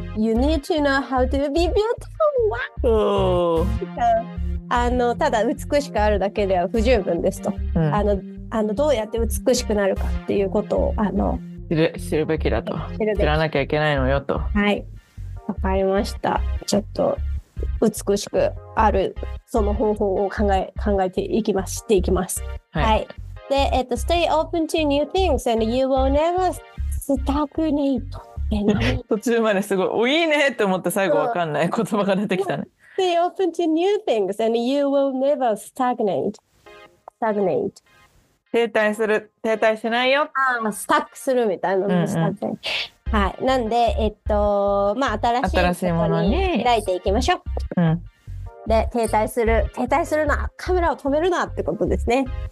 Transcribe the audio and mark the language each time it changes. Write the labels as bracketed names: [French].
[English] You need to know how to be beautiful. Wow. [Japanese] あの、ただ美しくあるだけでは不十分ですと、うん、あのどうやって美しくなるかっていうことを、あの、知るべきだと、知らなきゃいけないのよと。はい、わかりました。ちょっと美しくあるその方法を考えていきます。はい、はい、 [English] で、Stay open to new things and you will never stagnate. [Japanese] 途中まですごい、いいねって思って最後わかんない言葉が出てきたね。 [English] Stay open to new things and you will never stagnate. [Japanese] 停滞する、停滞しないよ。あ、スタックするみたいなのも、うんうん、はい、なんで、まあ、新しいものに開いていきましょう、うん、で、停滞するな、カメラを止めるなってことですね。